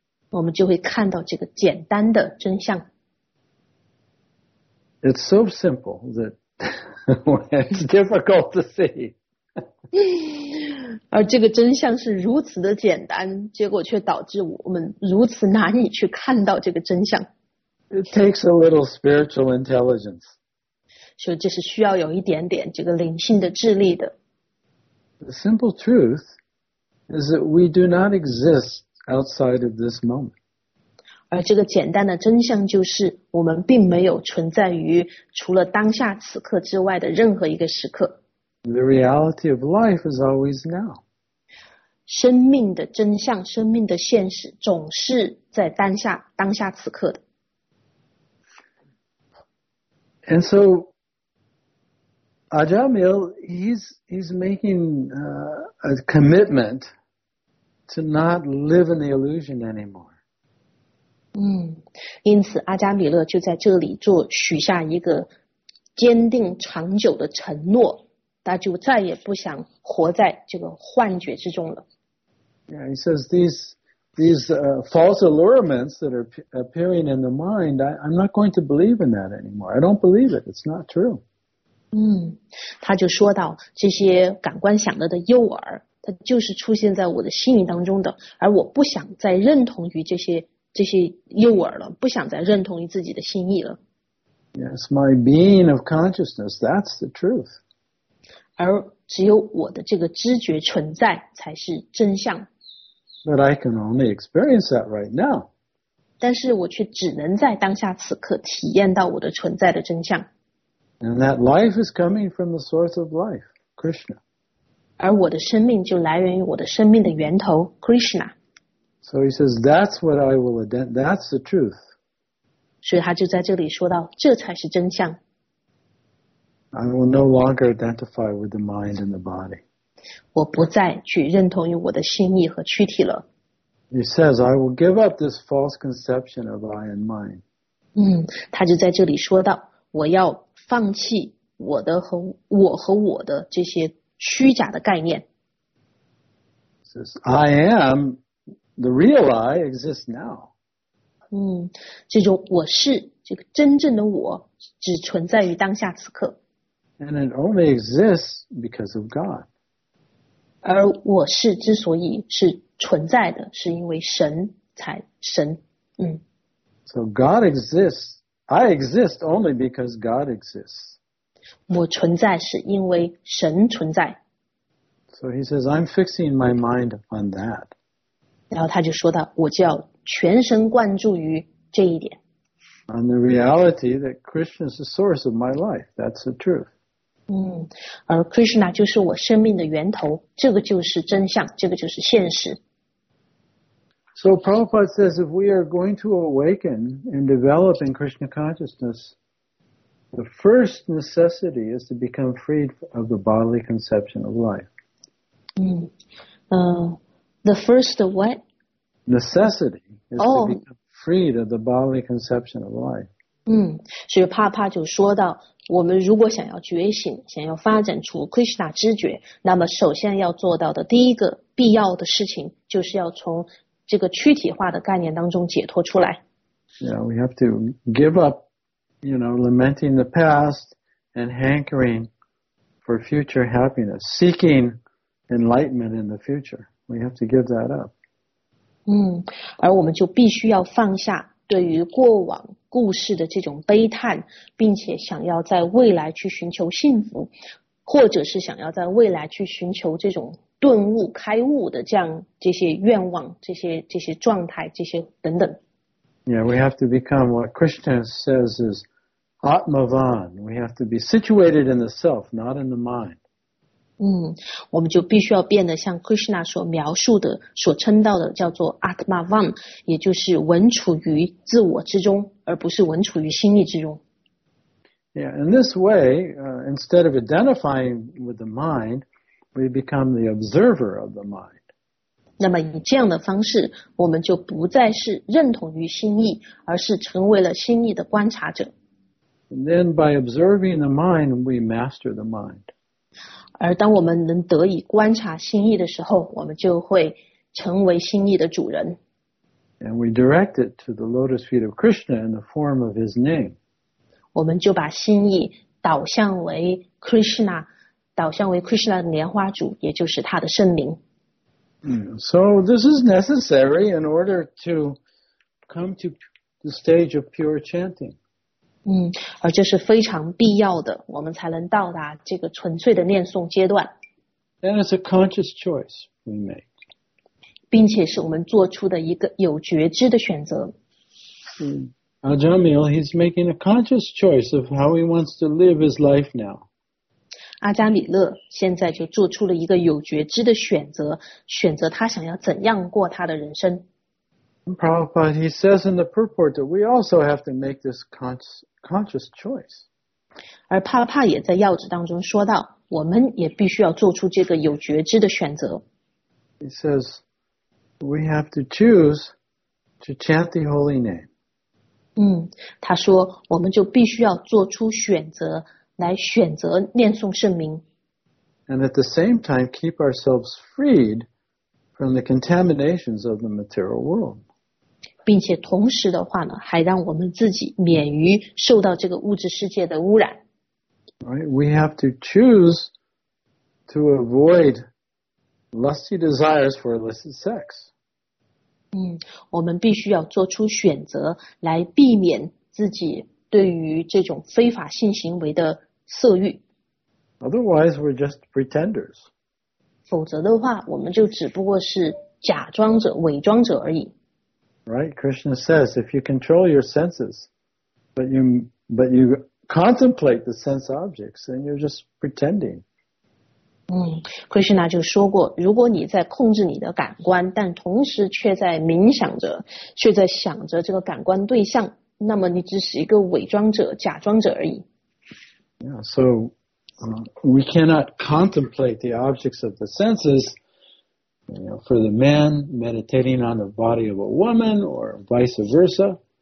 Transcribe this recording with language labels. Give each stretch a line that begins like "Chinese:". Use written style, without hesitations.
Chinese: 我们就会看到这个简单的真相。
English: It's so simple that it's difficult to see.
Chinese: 而这个真相是如此的简单，结果却导致我们如此难以去看到这个真相。
English: It takes a little spiritual intelligence.
Chinese: 所以这是需要有一点点这个灵性的智力的。
English: The simple truth is that we do not exist outside of this moment.
Chinese: 而这个简单的真相就是我们并没有存在于除了当下此刻之外的任何一个时刻。
English: The reality of life is always now.
Chinese: 生命的真相，生命的现实总是在当下，当下此刻的。
English: And so, Ajahn Mill, he's making a commitment to not live in the illusion anymore.
Chinese: 因此阿加米勒就在这里做许下一个坚定长久的承诺，他就再也不想活在这个幻觉之中了。
English: Yeah, he says these false allurements that are appearing in the mind, I'm not going to believe in that anymore. I don't believe it. It's not true.
Chinese: 他就说到这些感官享乐的诱饵，它就是出现在我的心理当中的，而我不想再认同于这些诱饵了，不想再认同于自己的心意了。
English: Yes, my being of consciousness, that's the truth.
Chinese: 而只有我的这个知觉存在才是真相。
English: But I can only experience that right now.
Chinese: 但是我却只能在当下此刻体验到我的存在的真相。
English: And that life is coming from the source of life, Krishna.
Chinese: 而我的生命就来源于我的生命的源头 Krishna.
English: So he says, that's what I will identify, that's the truth.
Chinese: 所以他就在这里说到，这才是真相。
English: I will no longer identify with the mind and the body.
Chinese: 我不再去认同于我的心意和躯体了。
English: He says, I will give up this false conception of I and mine.
Chinese: 他就在这里说到，我要放弃我的和我和我的这些虚假的概念。
English: I am the real I exists now.
Chinese: 这种我是这个真正的我只存在于当下此刻。
English: And it only exists because of God.
Chinese: 而我是之所以是存在的，是因为神才神。
English: So God exists. I exist only because God exists.
Chinese: 我存在是因为神存在。
English: So he says, I'm fixing my mind on that.
Chinese: 然后他就说到，我就要全神贯注于这一点。
English: On the reality that Krishna is the source of my life, that's the truth.
Chinese: 而 Krishna 就是我生命的源头，这个就是真相，这个就是现实。
English: So Prabhupada says, if we are going to awaken and develop in Krishna consciousness, the first necessity is to become freed of the bodily conception of life. The first what? Necessity is to become freed of the bodily conception of life.
Chinese: 所以帕帕就说到，我们如果想要觉醒，想要发展出 Krishna 知觉，那么首先要做到的第一个必要的事情，就是要从这个躯体化的概念当中解脱出来。
English: Yeah, we have to give up, you know, lamenting the past and hankering for future happiness, seeking enlightenment in the future. We have to give that up.
Chinese: 而我们就必须要放下对于过往故事的这种悲叹，并且想要在未来去寻求幸福，或者是想要在未来去寻求这种顿悟开悟的这样这些愿望，这些状态，这些等等。
English: Yeah, we have to become what Krishna says is Atmavan. We have to be situated in the self, not in the mind.
Chinese: 我们就必须要变得像 Krishna 所描述的、所称道的，叫做 Atmavan， 也就是稳处于自我之中，而不是稳处于心意之中。
English: Yeah, in this way, instead of identifying with the mind,we become the observer of the mind.
Chinese: 那么以这样的方式，我们就不再是认同于心意，而是成为了心意的观察者。
English: And then by observing the mind, we master the mind.
Chinese: 而当我们能得以观察心意的时候，我们就会成为心意的主人。
English: And we direct it to the lotus feet of Krishna in the form of his name.
Chinese: 我们就把心意导向为 Krishna。导向为 Krishna 的莲花主，也就是他的圣灵。
English: So this is necessary in order to come to the stage of pure chanting.
Chinese: 而这是非常必要的，我们才能到达这个纯粹的念诵阶段。
English: And it's a conscious choice we make.
Chinese: 并且是我们做出的一个有觉知的选择。
English: Ajamil, he's making a conscious choice of how he wants to live his life now.
Chinese: 阿加米勒现在就做出了一个有觉知的选择，选择他想要怎样过他的人生。
English: Prabhupada, he says in the purport that we also have to make this conscious choice.
Chinese: 而帕拉帕也在要旨当中说到，我们也必须要做出这个有觉知的选择。
English: He says, we have to choose to chant the holy name.
Chinese: 他说我们就必须要做出选择，来选择念诵圣名。
English: And at the same time, keep ourselves freed from the contaminations of the material world.
Chinese: 并且同时的话呢，还让我们自己免于受到这个物质世界的污染。
English: Right, we have to choose to avoid lusty desires for illicit sex.
Chinese: 我们必须要做出选择来避免自己对于这种非法性行为的色欲。
English: Otherwise, we're just pretenders.
Chinese: 否则的话，我们就只不过是假装者、伪装者而已。
English: Right, Krishna says, if you control your senses, but you contemplate the sense objects, then you're just pretending.
Chinese: Krishna 就说过，如果你在控制你的感官，但同时却在冥想着，却在想着这个感官对象，那么你只是一个伪装者、假装者而已。
English: Yeah, so we cannot contemplate the objects of the senses, you know, for the man meditating on the body of a woman or vice versa.